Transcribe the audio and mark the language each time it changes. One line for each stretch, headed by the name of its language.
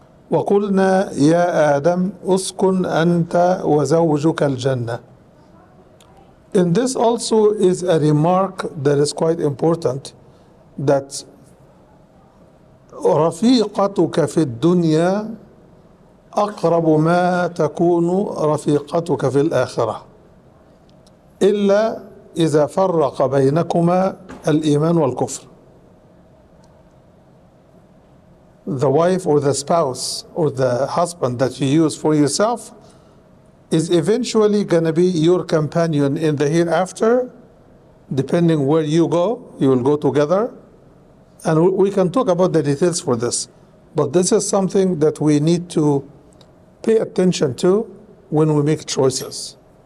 Arabic: وَقُلْنَا يَا آدَمُ اسْكُنْ أَنْتَ وَزَوْجُكَ الْجَنَّةِ.
English: And this also is a remark that is quite important, that
Arabic: رَفِيقَتُكَ فِي الدُّنْيَا أقرب ما تكون رفيقتك في الآخرة إلا إذا فرق بينكما الإيمان والكفر.
English: The wife or the spouse or the husband that you use for yourself is eventually going to be your companion in the hereafter, depending where you go, you will go together. And we can talk about the details for this. But this is something that we need to pay attention to when we make choices.